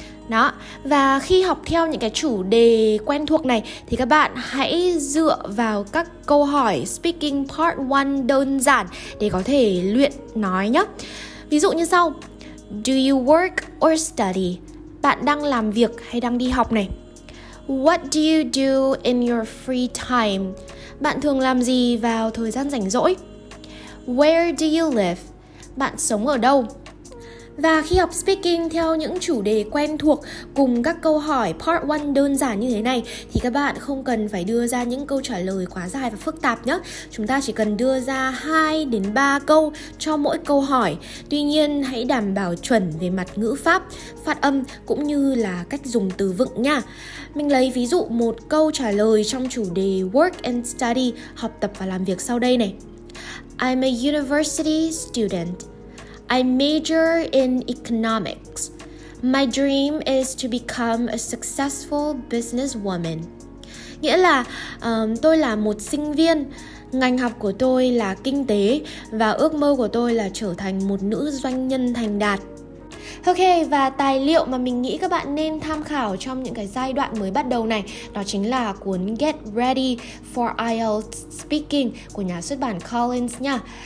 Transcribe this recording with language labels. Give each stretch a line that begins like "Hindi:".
Vietnamese: Đó, và khi học theo những cái chủ đề quen thuộc này thì các bạn hãy dựa vào các câu hỏi speaking part 1 đơn giản để có thể luyện nói nhé. Ví dụ như sau:
English: Do you work or study?
Vietnamese: Bạn đang làm việc hay đang đi học này?
English: What do you do in your free time?
Vietnamese: Bạn thường làm gì vào thời gian rảnh rỗi?
English: Where do you live?
Vietnamese: Bạn sống ở đâu? Và khi học speaking theo những chủ đề quen thuộc cùng các câu hỏi part 1 đơn giản như thế này thì các bạn không cần phải đưa ra những câu trả lời quá dài và phức tạp nhé. Chúng ta chỉ cần đưa ra 2 đến 3 câu cho mỗi câu hỏi. Tuy nhiên hãy đảm bảo chuẩn về mặt ngữ pháp, phát âm cũng như là cách dùng từ vựng nha. Mình lấy ví dụ một câu trả lời trong chủ đề work and study, học tập và làm việc sau đây này.
English: I'm a university student. I major in economics. My dream is to become a successful businesswoman.
Vietnamese: Nghĩa là tôi là một sinh viên, ngành học của tôi là kinh tế và ước mơ của tôi là trở thành một nữ doanh nhân thành đạt. Ok, và tài liệu mà mình nghĩ các bạn nên tham khảo trong những cái giai đoạn mới bắt đầu này đó chính là cuốn Get Ready for IELTS Speaking của nhà xuất bản Collins nha.